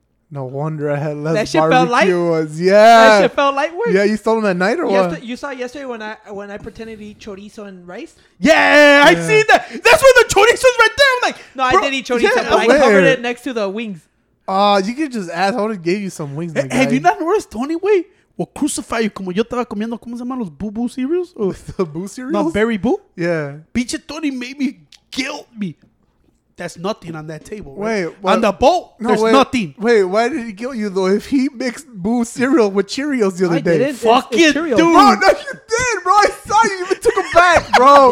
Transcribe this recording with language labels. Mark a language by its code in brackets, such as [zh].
[en] No wonder I had less barbecue. That shit felt lightweight. Yeah, you stole them at night or what? You saw yesterday when I pretended to eat chorizo and rice. I seen that. That's where the chorizo is right there. I'm like, no, bro, I didn't eat chorizo. Yeah, but where? I covered it next to the wings. You could just ask. I would have gave you some wings. Have you not noticed, Tony? Wait, will crucify you. [es] Como yo estaba comiendo, ¿cómo se llaman los boo boo cereals? [en] The boo cereals? No, berry boo? Yeah. Bitch, Tony made me guilt me. That's nothing on that table. Right? Wait, what? On the boat, no, there's nothing. Wait, why did he kill you though? If he mixed Boo cereal with Cheerios the other day, fucking dude, bro, no, you did, bro. I saw you even took a bite, bro.